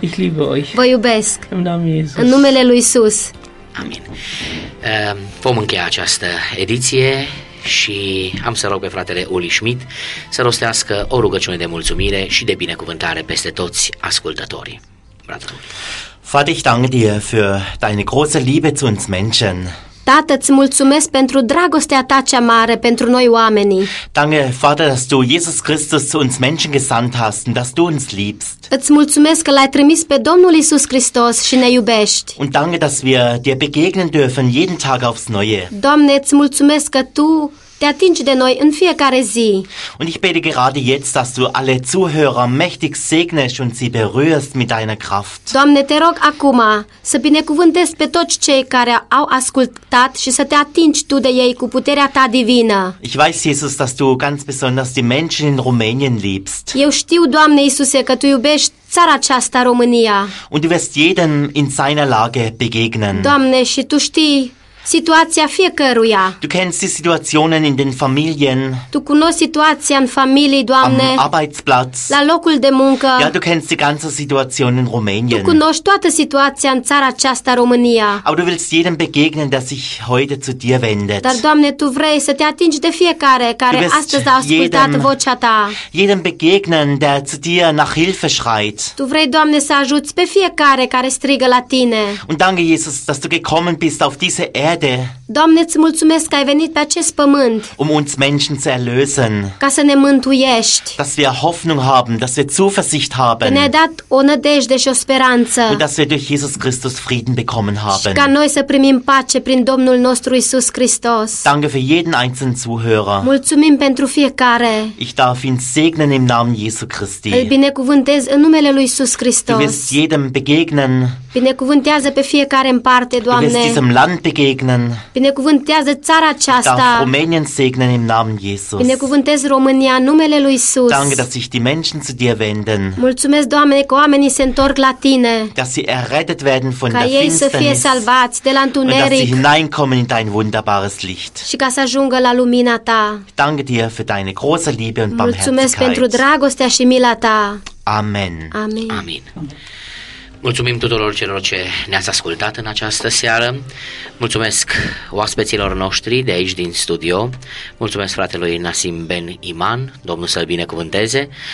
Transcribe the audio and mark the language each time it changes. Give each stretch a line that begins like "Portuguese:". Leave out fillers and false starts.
German: Ich liebe euch.
Romanian: Vă iubesc.
German: Im Namen Jesus.
Romanian: În numele lui Isus. Amin. Vom încheia această ediție și am să rog pe fratele Uli Schmidt să rostească o rugăciune de mulțumire și de binecuvântare peste toți ascultătorii. Frate.
German: Vater, ich danke dir für deine große Liebe zu uns Menschen.
Romanian: Tată, îți mulțumesc pentru dragostea ta cea mare pentru noi oamenii.
German: Danke, Vater, dass du Jesus Christus zu uns Menschen gesandt hast und dass du uns liebst.
Romanian: Îți mulțumesc că l-ai trimis pe Domnul Iisus Hristos și ne iubești.
German: Und danke, dass wir dir begegnen dürfen jeden Tag aufs Neue.
Romanian: Doamne, îți mulțumesc că tu te atingi de noi în fiecare zi.
German: Und ich bete gerade jetzt, dass du alle Zuhörer mächtig segnest und sie berührst mit deiner Kraft.
Romanian: Doamne, te rog acum să binecuvântezi pe toți cei care au ascultat și să te atingi tu de ei cu puterea ta divină.
German: Ich weiß, Jesus, dass du ganz besonders die Menschen in Rumänien liebst.
Romanian: Eu știu, Doamne Iisuse, că tu iubești țara aceasta, România.
German: Und du wirst jedem in seiner Lage begegnen.
Romanian: Doamne, și tu știi situația fiecăruia.
German: Du kennst die Situationen in den Familien.
Romanian: Tu cunoști situația în familie, Doamne.
German: Am Arbeitsplatz.
Romanian: La locul de muncă.
German: Ja, du kennst die ganze Situation in Rumänien.
Romanian: Tu cunoști toată situația în țara aceasta, România.
German: Aber du willst jedem begegnen, der sich heute zu dir wendet.
Romanian: Dar, Doamne, tu vrei să te atingi de fiecare care astăzi a ascultat vocea ta.
German: Jedem begegnen, der zu dir nach Hilfe schreit.
Romanian: Tu vrei, Doamne, să ajuți pe fiecare care strigă la tine.
German: Und danke, Jesus, dass du gekommen bist auf diese Erde.
Romanian: Doamne, îți mulțumesc că ai venit pe acest pământ.
German: Um uns Menschen zu erlösen.
Romanian: Ca să ne mântuiești.
German: Dass wir Hoffnung haben, dass wir Zuversicht haben.
Romanian: Că ne-ai dat o nădejde și o speranță.
German: Und dass wir durch Jesus Christus Frieden bekommen haben.
Romanian: Și ca noi să primim pace prin Domnul nostru Iisus Hristos.
German: Danke für jeden einzelnen Zuhörer.
Romanian: Mulțumim pentru fiecare.
German: Ich darf ihn segnen im Namen Jesu Christi.
Romanian: Îl binecuvântez în numele lui Iisus Hristos.
German: Du wirst jedem begegnen.
Romanian: Binecuvântează pe fiecare în parte, Doamne.
German: Du wirst diesem Land begegnen.
Romanian: Binecuvântează țara aceasta.
German: Darf Rumänien segnen im Namen Jesus.
Romanian: Binecuvântez România în numele lui Iisus.
German: Danke, dass sich die Menschen zu dir wenden.
Romanian: Mulțumesc, Doamne, că oamenii se întorc la tine.
German: Dass sie errettet werden von der Finsternis.
Romanian: Ca ei să fie salvați de la întuneric.
German: Und dass sie hineinkommen in dein wunderbares Licht.
Romanian: Și ca să ajungă la lumina ta.
German: Danke dir für deine große Liebe und Barmherzigkeit.
Romanian: Mulțumesc pentru dragostea și mila ta.
German: Amen.
Romanian: Amen. Amen. Mulțumim tuturor celor ce ne-ați ascultat în această seară. Mulțumesc oaspeților noștri de aici din studio. Mulțumesc fratelui Nassim Ben Iman, Domnul să-l binecuvânteze.